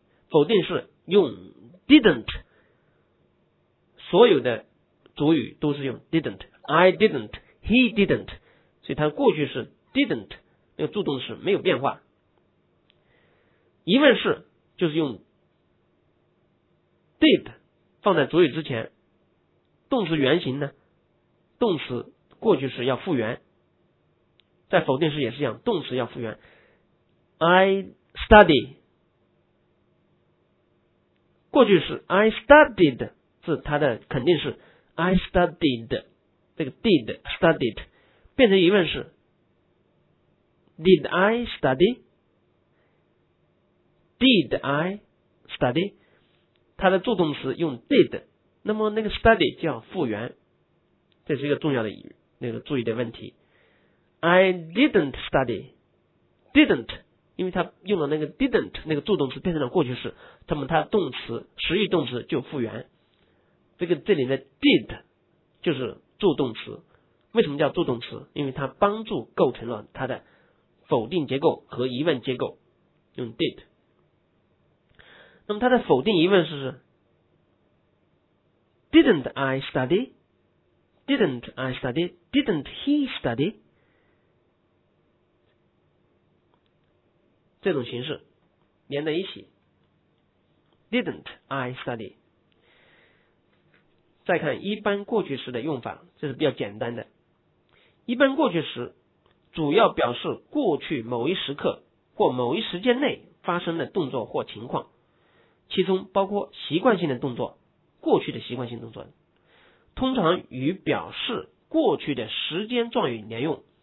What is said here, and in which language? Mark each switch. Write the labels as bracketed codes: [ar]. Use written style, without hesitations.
[zh] 否定式用 didn't， 所有的主语都是用 didn't， I didn't， he didn't， 所以它过去式didn't 那个助动词没有变化。疑问式就是用 did 放在主语之前，动词原形呢，动词过去时要复原。在否定式也是一样，动词要复原。 I study 过去式 I studied 是它的肯定式， I studied 这个 did studied 变成疑问式 [en] Did I study? Did I study? [zh] 它的助动词用 did， 那么那个 study 就要复原，这是一个重要的那个注意的问题。 [en] I didn't study， [zh] didn't， 因为它用了那个 didn't 那个助动词变成了过去式，那么它动词实义动词就复原。这个这里的 did 就是助动词，为什么叫助动词？因为它帮助构成了它的否定结构和疑问结构，用 did。那么它的否定疑问是 [en] didn't I study， [zh] didn't I study， didn't he study， 这种形式连在一起 didn't I study。再看一般过去时的用法，这是比较简单的。一般过去时主要表示过去某一时刻或某一时间内发生的动作或情况，其中包括习惯性的动作，过去的习惯性动作，通常与表示过去的时间状语连用。